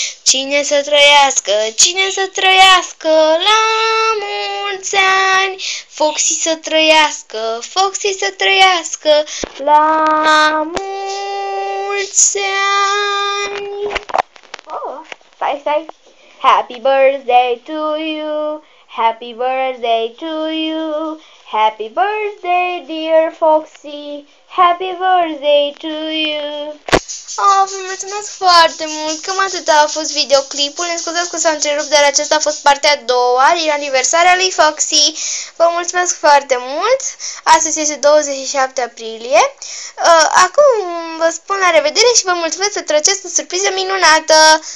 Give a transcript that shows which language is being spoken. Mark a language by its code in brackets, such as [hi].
[ro] Cine să trăiască, cine să trăiască, la mulți ani! Foxy să trăiască, Foxy să trăiască, la mulți ani! Oh, stai, stai! [en] Happy birthday to you, happy birthday to you, happy birthday dear Foxy, happy birthday to you. [ro] Oh, vă mulțumesc foarte mult, cam atât a fost videoclipul. Ne scuzați că s-a întrerupt, dar acesta a fost partea a doua din aniversarea lui Foxy. Vă mulțumesc foarte mult. Astăzi este 27 aprilie. Acum vă spun la revedere și vă mulțumesc pentru această surpriză minunată.